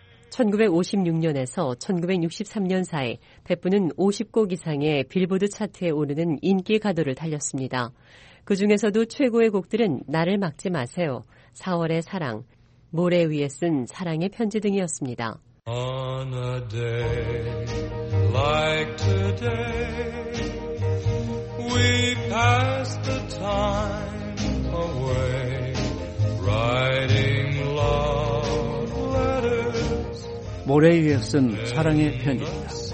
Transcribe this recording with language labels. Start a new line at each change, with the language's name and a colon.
Korean: 1956년에서 1963년 사이 페프는 50곡 이상의 빌보드 차트에 오르는 인기 가도를 달렸습니다. 그 중에서도 최고의 곡들은 나를 막지 마세요, 4월의 사랑, 모래 위에 쓴 사랑의 편지 등이었습니다.
English: On a day like today we pass the time away writing love letters
Korean: 모래 위에 쓴 사랑의 편지입니다.